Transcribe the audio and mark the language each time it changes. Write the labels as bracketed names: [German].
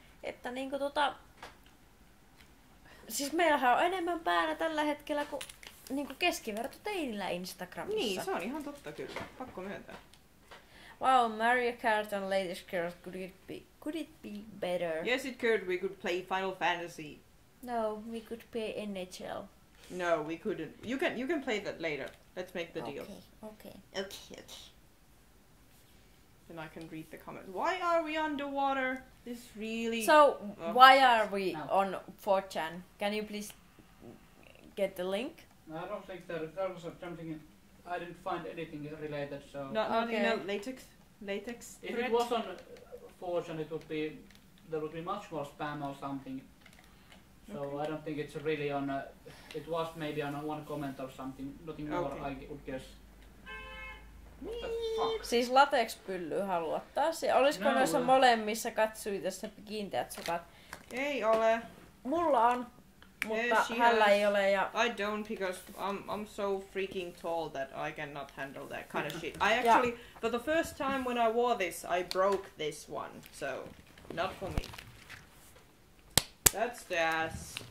[Finnish] Että niinku siis meillähän on enemmän päällä tällä hetkellä kuin niinku keskiverto teinillä Instagramissa. Niin, se on ihan totta kyllä. Pakko myöntää. [English] Wow, Mario Kart and Latex Girls, could it be better? Yes, it could. We could play Final Fantasy. No, we could play NHL. No, we couldn't. You can play that later. Let's make the deal. Okay. Then I can read the comments. Why are we underwater? This really... So, why are we on 4chan? Can you please get the link? No, I don't think there was something in... I didn't find anything related, so... No, latex thread? If it was on 4chan, there would be much more spam or something. So okay. I don't think it's really on... it was maybe on one comment or something, nothing okay. more, I would guess. [Finnish] Siis latex-pylly haluat taas. Olisiko noissa molemmissa katsojissa kiinteät sukat? Ei ole. Mulla on mutta hänellä ei ole ja [English] I don't because I'm so freaking tall that I cannot handle that kind of shit. I actually for the first time when I wore this I broke this one. So not for me. That's the ass.